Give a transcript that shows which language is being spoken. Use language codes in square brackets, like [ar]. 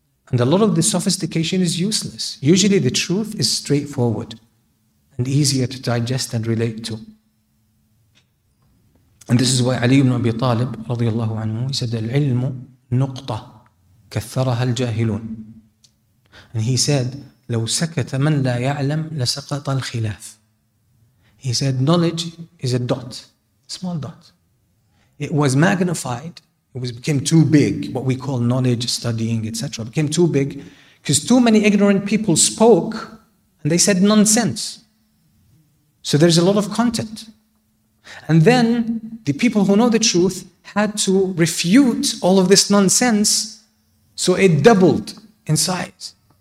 [en] And a lot of the sophistication is useless. Usually the truth is straightforward and easier to digest and relate to. And this is why Ali ibn Abi Talib, [ar] رضي الله عنه, [en] he said, [ar] العلم نقطة كثرها الجاهلون. [en] And he said, [ar] لو سكت من لا يعلم لسقط الخلاف. [en] He said, knowledge is a dot, small dot. It was magnified. It became too big, what we call knowledge, studying, etc. Became too big because too many ignorant people spoke and they said nonsense. So there's a lot of content. And then the people who know the truth had to refute all of this nonsense, so it doubled in size.